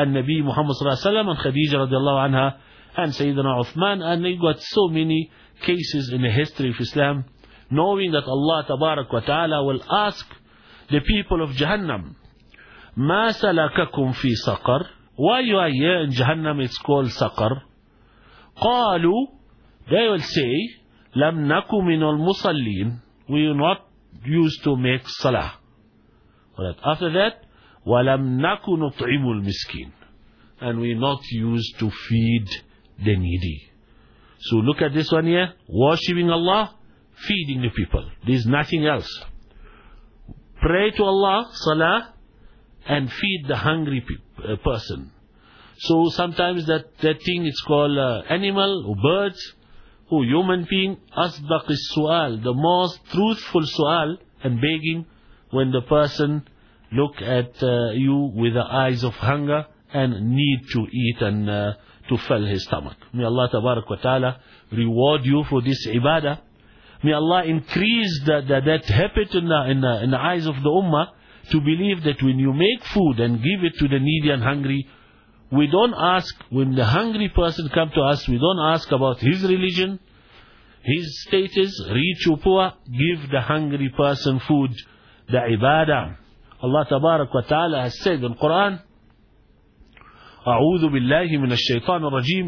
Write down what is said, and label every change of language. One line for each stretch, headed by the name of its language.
English: And Nabi Muhammad s.a.w. and Khadija radiallahu anha and Sayyidina Uthman, and they got so many cases in the history of Islam, knowing that Allah tabarak wa ta'ala will ask the people of Jahannam,
Arabic: ما سلككم في سقر.
English: Why you are here in Jahannam, it's called Saqar.
Arabic: قالوا,
English: they will say,
Arabic: لم نكو من المصلين.
English: We are not used to make salah. But after that,
Arabic: ولم نكو نطعم المسكين.
English: And we are not used to feed the needy. So look at this one here. Worshipping Allah, feeding the people. There is nothing else. Pray to Allah, salah, and feed the hungry person. So sometimes that thing is called animal or birds or human being. Asdaq is su'al, the most truthful su'al and begging, when the person look at you with the eyes of hunger and need to eat and to fill his stomach. May Allah tabarak wa ta'ala reward you for this ibadah. May Allah increase that habit in the eyes of the ummah to believe that when you make food and give it to the needy and hungry, we don't ask, when the hungry person come to us, we don't ask about his religion, his status, rich or poor. Give the hungry person food, the ibadah. Allah tabarak wa ta'ala has said in Quran,
Arabic: أعوذ بالله من الشيطان الرجيم.